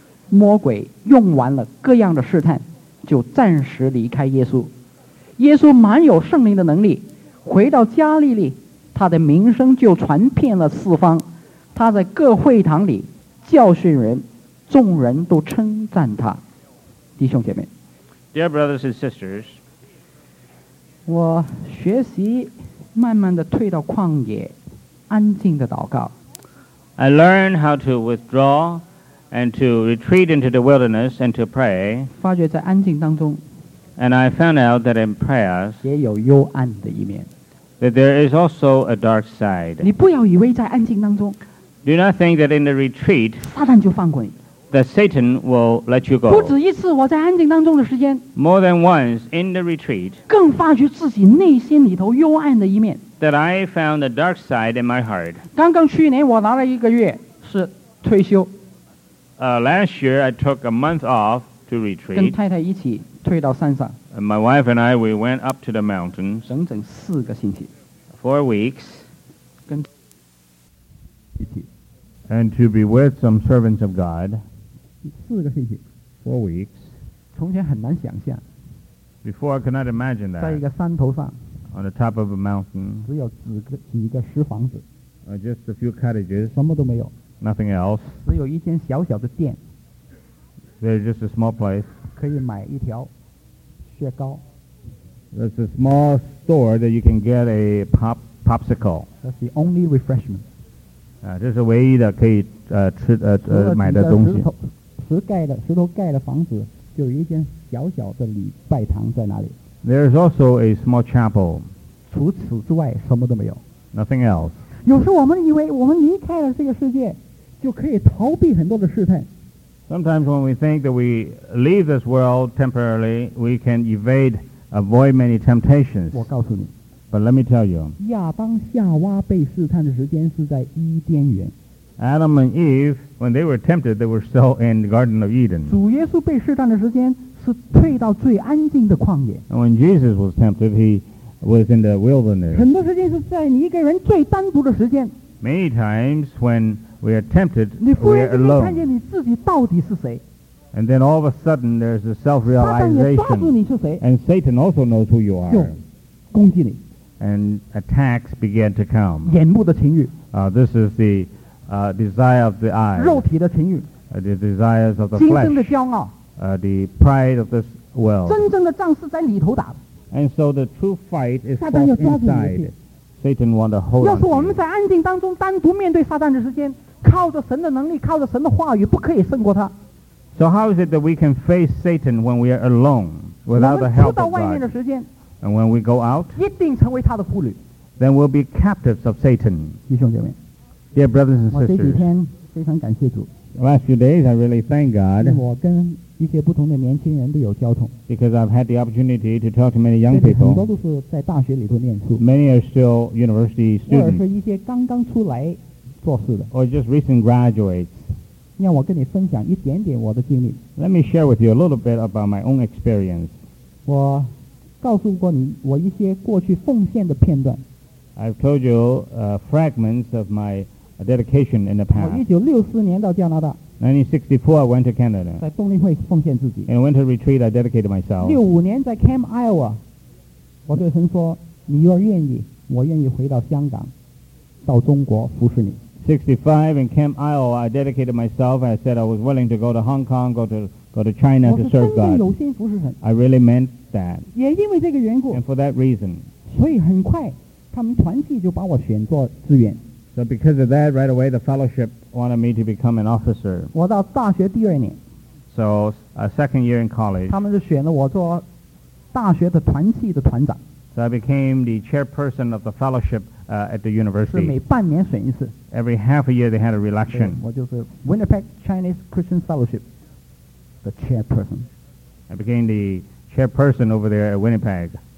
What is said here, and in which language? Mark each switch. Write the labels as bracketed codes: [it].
[zh] 魔鬼用完了各样的试探就暂时离开耶稣耶稣满有圣灵的能力回到加利利他的名声就传遍了四方他在各会堂里教训人众人都称赞他弟兄姐妹 [en] Dear brothers and sisters [zh] 我学习慢慢地退到旷野安静地祷告 [en] I learn how to withdraw and to retreat into the wilderness and to pray [zh] 发觉在安静当中 [en] and I found out that in prayers [zh] 也有幽暗的一面 [en] that there is also a dark side [zh] 你不要以为在安静当中 [en] do not think that in the retreat [zh] 撒旦就放过你 [en] That Satan will let you go. [zh] 不止一次，我在安静当中的时间。 [en] More than once in the retreat. [zh] 更发觉自己内心里头幽暗的一面。 [en] That I found the dark side in my heart. [zh] 刚刚去年我拿了一个月是退休。 [en] Last year I took a month off to retreat. [zh] 跟太太一起退到山上。 [en] And my wife and I we went up to the mountain. [zh] 整整四个星期。 [en] Four weeks. [zh] 跟一起。 [en] And to be with some servants of God. [zh] 四个星期 [en] Four weeks. [zh] 从前很难想象 [en] Before I could not imagine that. [zh] 在一个山头上 [en] on the top of a mountain. [zh] 只有几个石房子。 [en] Just a few cottages. [zh] 什么都没有。 [en] Nothing else. [zh] 只有一间小小的店。 [en] There's just a small place. [zh] 可以买一条雪糕。 [en] There's a small store that you can get a popsicle. That's the only refreshment. [zh] 这是唯一的可以吃买的东西。石头盖的房子，就有一间小小的礼拜堂在那里。 [en] There is also a small chapel. [zh] 除此之外什么都没有。 [en] Nothing else. [zh] 有时我们以为我们离开了这个世界就可以逃避很多的试探。 [en] Sometimes when we think that we leave this world temporarily, we can avoid many temptations. [zh] 我告诉你。 [en] But let me tell you. [zh] 亚当夏娃被试探的时间是在伊甸园。 [en] Adam and Eve, when they were tempted, they were still in the Garden of Eden. [zh] 主耶稣被试探的时间是退到最安静的旷野。 [en] And when Jesus was tempted, he was in the wilderness. [zh] 很多时间是在你一个人最单独的时间。 [en] Many times when we are tempted, we are alone. [zh] 你忽然间看见你自己到底是谁。 [en] And then all of a sudden, there's a self-realization. [zh] 撒旦也抓住你是谁。 [en] And Satan also knows who you are. [zh] 就攻击你。 [en] And attacks began to come. [zh] 眼目的情欲。 [en] This is the desire of the eye. [zh] 肉体的情欲。 [en] The desires of the flesh. [zh] 精神的骄傲。 [en] The pride of this world. [zh] 真正的仗是在里头打的。 [en] And so the true fight is fought inside. Satan wants to hold on. [zh] 要是我们在安静当中单独面对撒旦的时间，靠着神的能力，靠着神的话语，不可以胜过他。 [en] So how is it that we can face Satan when we are alone without the help of God? [zh] 我们出到外面的时间。 [en] And when we go out, [zh] 一定成为他的俘虏。 [en] Then we'll be captives of Satan. [zh] 弟兄姐妹。 [en] Dear brothers and sisters. [zh] 我这几天非常感谢主。 [en] The last few days, I really thank God. [zh] 我跟一些不同的年轻人都有交通。 [en] Because I've had the opportunity to talk to many young people. [zh] 很多都是在大学里头念书。 [en] Many are still university students. [zh] 或者是一些刚刚出来做事的。 [en] Or just recent graduates. [zh] 让我跟你分享一点点我的经历。 [en] Let me share with you a little bit about my own experience. [zh] 我告诉过你我一些过去奉献的片段。 [en] I've told you fragments of my dedication in the past. [zh] 我1964年到加拿大。 [en] 1964, I went to Canada. [zh] 在动力会奉献自己。 [en] In a winter retreat, I dedicated myself. [zh] 65年在 Camp Iowa, 我对神说，你若愿意，我愿意回到香港，到中国服侍你。 [en] 65 in Camp Iowa, I dedicated myself. I said I was willing to go to Hong Kong, go to China to serve God. [zh] 我是真正有心服侍神。 [en] I really meant that. [zh] 也因为这个缘故。 [en] And for that reason. [zh] 所以很快，他们团契就把我选做志愿。 [en] So because of that, right away, the fellowship wanted me to become an officer. [zh] 我到大学第二年。 [en] So, a second year in college. [zh] 他们就选了我做大学的团契的团长。 [en] So I became the chairperson of the fellowship at the university. [zh] 是每半年选一次。 [en] Every half a year, they had a re-election. [zh] 我就是 [en] Winnipeg Chinese Christian Fellowship, the chairperson. I became the chairperson over there at Winnipeg.